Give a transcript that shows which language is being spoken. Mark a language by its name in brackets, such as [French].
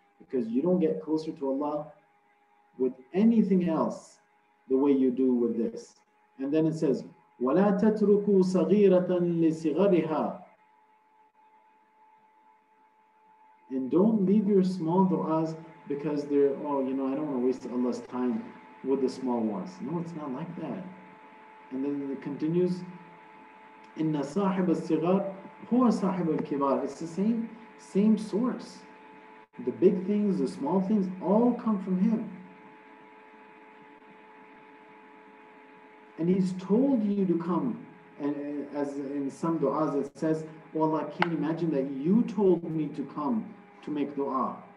[English] Because you don't get closer to Allah with anything else the way you do with this. And then it says, [Arabic] وَلَا تَتْرُكُوا صَغِيرَةً لِسِغَرِهَا. [English] And don't leave your small du'as because they're, I don't want to waste Allah's time with the small ones. No, it's not like that. And then it continues, [Arabic] إِنَّ صَاحِبَ الصِّغَارِ هُوَ صَاحِبَ الْكِبَارِ. [English] It's the same source. The big things, the small things, all come from Him. And He's told you to come, and as in some du'as it says, oh Allah, I can't imagine that you told me to come to make du'a.